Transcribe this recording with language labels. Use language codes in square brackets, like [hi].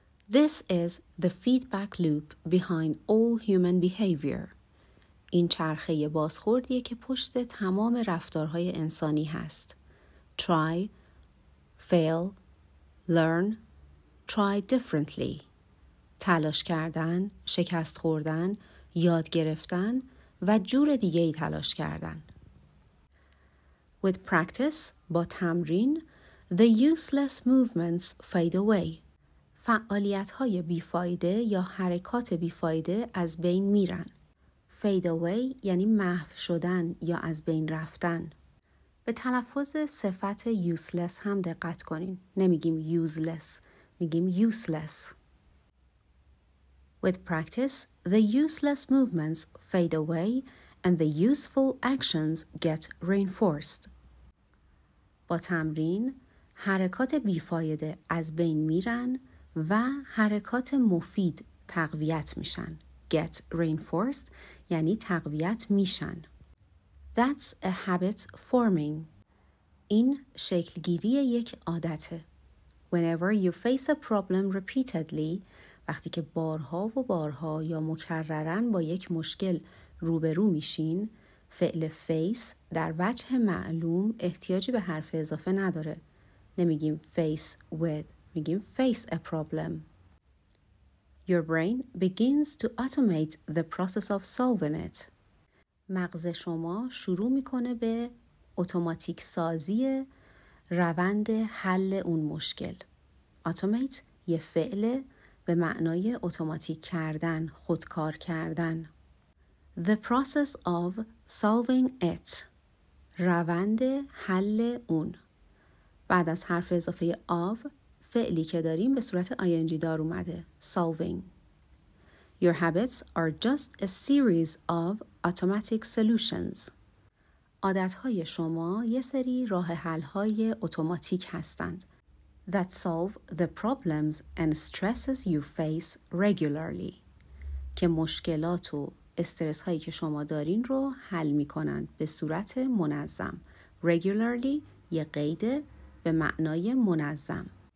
[en] This is the feedback loop behind all human behavior. [fa] این چرخه بازخوردیه که پشت تمام رفتارهای انسانی هست. [en] Try, fail, learn, try differently. [fa] تلاش کردن، شکست خوردن، یاد گرفتن و جور دیگه ای تلاش کردن. [en] With practice, [fa] با تمرین، [en] the useless movements fade away. [fa] فعالیت‌های بیفایده یا حرکات بیفایده از بین میرن. Fade away یعنی محو شدن یا از بین رفتن. به تلفظ صفت useless هم دقت کنین. نمیگیم useless، میگیم useless. [en] With practice, the useless movements fade away and the useful actions get reinforced. [fa] با تمرین، حرکات بیفایده از بین میرن، و حرکات مفید تقویت میشن. Get reinforced یعنی تقویت میشن. [en] That's a habit forming. [fa] این شکلگیری یک عادته. [en] Whenever you face a problem repeatedly، [fa] وقتی که بارها و بارها یا مکررن با یک مشکل روبرو میشین، فعل face در وجه معلوم احتیاجی به حرف اضافه نداره. نمیگیم [en] face with، [fa] میگیم [en] face a problem. Your brain begins to automate the process of solving it. [fa] مغز شما شروع میکنه به اتوماتیک سازی روند حل اون مشکل. Automate یه فعل به معنای اتوماتیک کردن، خودکار کردن. [en] The process of solving it. [fa] روند حل اون. بعد از حرف اضافه of، فعلی که داریم به صورت ing دار اومده. [en] Solving. Your habits are just a series of automatic solutions. [fa] عادتهای شما یه سری راه حل‌های اوتوماتیک هستند. [en] That solve the problems and stresses you face regularly. [fa] که مشکلات و استرس‌هایی که شما دارین رو حل می‌کنند به صورت منظم. Regularly یه قید به معنای منظم.